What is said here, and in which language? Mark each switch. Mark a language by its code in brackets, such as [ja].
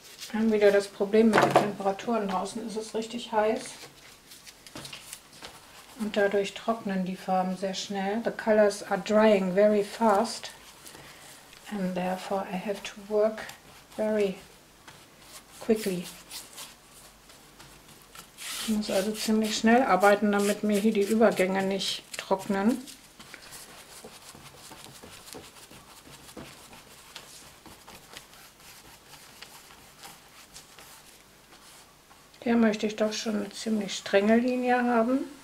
[de] Wir haben wieder das Problem mit den Temperaturen. Draußen ist es richtig heiß und dadurch trocknen die Farben sehr schnell. [en] The colors are drying very fast and therefore I have to work very quickly. [de] Ich muss also ziemlich schnell arbeiten, damit mir hier die Übergänge nicht trocknen. Hier möchte ich doch schon eine ziemlich strenge Linie haben.